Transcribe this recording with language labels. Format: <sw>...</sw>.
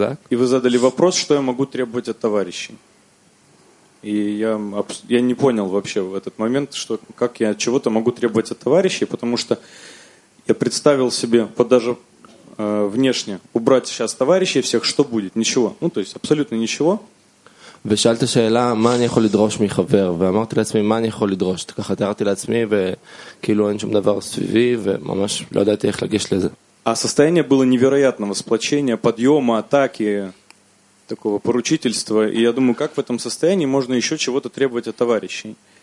<ru>И вы задали вопрос, что я могу требовать от товарищей. И я не понял вообще в этот момент, что, как я чего-то могу требовать от товарищей, потому что я представил себе, вот даже внешне, убрать сейчас товарищей всех, что будет? Ничего. Ну, то есть абсолютно ничего.</ru> <he>ושאלת שאלה, מה אני יכול לדרוש מחבר? ואמרתי לעצמי, מה אני יכול לדרוש? ככה תיארתי לעצמי, וכאילו אין שום דבר סביבי, וממש לא ידעתי איך לגשת לזה.</he> <ru>А состояние было невероятного сплочения, подъема, атаки, такого поручительства. И я думаю, как в этом состоянии можно еще чего-то требовать от товарищей?</ru>